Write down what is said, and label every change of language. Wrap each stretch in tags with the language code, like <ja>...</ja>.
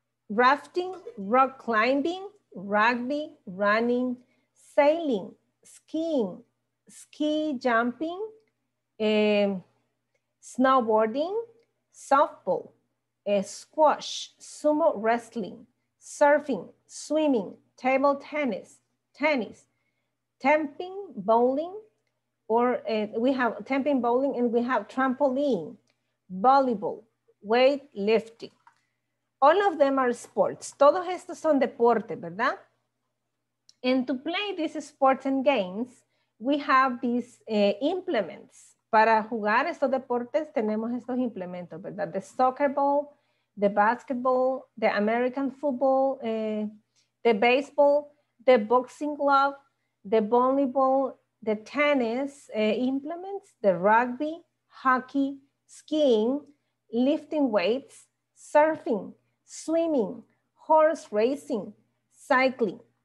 <en>Rafting, rock climbing, rugby, running, sailing, skiing, ski jumping, snowboarding, softball, squash, sumo wrestling, surfing, swimming, table tennis, temping, bowling, we have temping, bowling, and we have trampoline, volleyball, weight lifting. All of them are sports.</en> <es>Todos estos son deportes, ¿verdad?</es> <en>And to play these sports and games, we have these implements.</en> <es>Para jugar estos deportes, tenemos estos implementos, ¿verdad?</es> <en>The soccer ball, the basketball, the American football, the baseball, the boxing glove, the volleyball, the tennis implements, the rugby, hockey, skiing, lifting weights, surfing, swimming, horse racing, cycling.</en>